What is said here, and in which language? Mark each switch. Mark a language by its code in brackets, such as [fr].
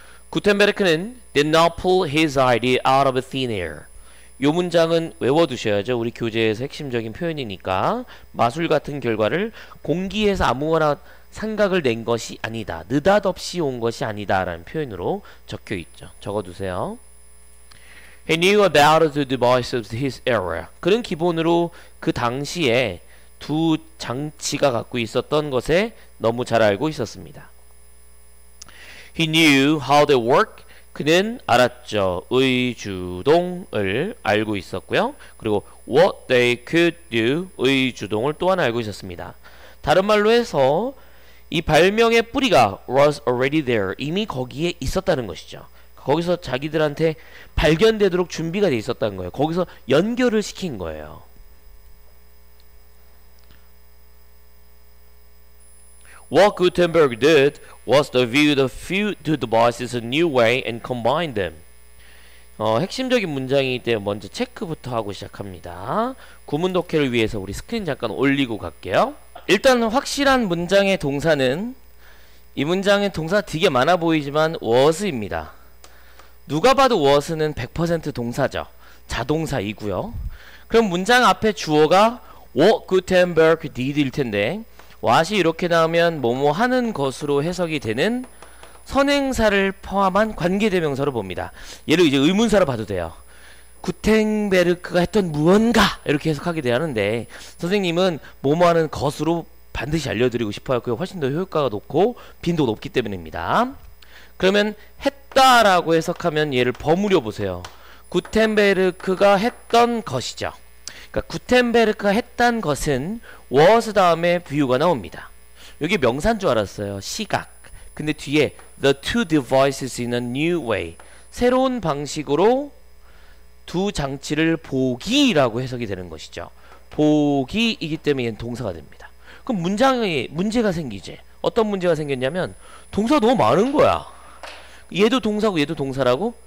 [en] 구텐베르크는 did not pull his idea out of thin air. [ko] 요 문장은 외워두셔야죠. 우리 교재에서 핵심적인 표현이니까. 마술 같은 결과를 공기에서 아무거나 생각을 낸 것이 아니다. 느닷없이 온 것이 아니다. 라는 표현으로 적혀 있죠. 적어두세요. [en] He knew about the device of his era. [ko] 그는 기본으로 그 당시에 두 장치가 갖고 있었던 것에 너무 잘 알고 있었습니다. [en] He knew how they work. [ko] 그는 알았죠. 의주동을 알고 있었고요. 그리고 [en] what they could do [ko] 의주동을 또한 알고 있었습니다. 다른 말로 해서 이 발명의 뿌리가 [en] was already there. [ko] 이미 거기에 있었다는 것이죠. 거기서 자기들한테 발견되도록 준비가 돼 있었다는 거예요. 거기서 연결을 시킨 거예요. [en] What Gutenberg did was to view the few two devices a new way and combine them. [ko] 핵심적인 문장이기 때문에 먼저 체크부터 하고 시작합니다. 구문 독해를 위해서 우리 스크린 잠깐 올리고 갈게요. 일단 확실한 문장의 동사는 이 문장의 동사 되게 많아 보이지만 was입니다. 누가 봐도 was는 100% 동사죠. 자동사이고요. 그럼 문장 앞에 주어가 [en] what Gutenberg did [ko] 일 텐데 what이 이렇게 나오면 뭐뭐 하는 것으로 해석이 되는 선행사를 포함한 관계대명사로 봅니다. 얘를 이제 의문사로 봐도 돼요. 구텐베르크가 했던 무언가 이렇게 해석하게 되는데 선생님은 뭐뭐 하는 것으로 반드시 알려드리고 싶어요. 그게 훨씬 더 효과가 높고 빈도 높기 때문입니다. 그러면 했다라고 해석하면 얘를 버무려 보세요. 구텐베르크가 했던 것이죠. 그러니까 구텐베르크가 했던 것은 was 다음에 비유가 나옵니다. 이게 명사인 줄 알았어요. 시각. 근데 뒤에 [en] the two devices in a new way. [ko] 새로운 방식으로 두 장치를 보기라고 해석이 되는 것이죠. 보기이기 때문에 얘는 동사가 됩니다. 그럼 문장에 문제가 생기지. 어떤 문제가 생겼냐면 동사가 너무 많은 거야. 얘도 동사고 얘도 동사라고.